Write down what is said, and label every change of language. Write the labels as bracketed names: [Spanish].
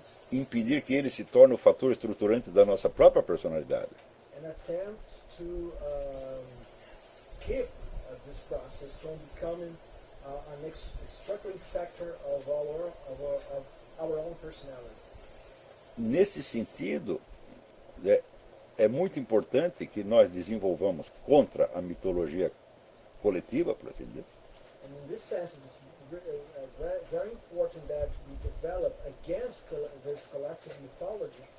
[Portuguese] Impedir que ele se torne o fator estruturante da nossa própria personalidade. [English] And attempt to keep this process from becoming an extracting factor of our own personality. [Portuguese] Nesse sentido, é muito importante que nós desenvolvamos contra a mitologia coletiva, por assim dizer. [English] And in this sense, it's very important that we develop against this collective mythology.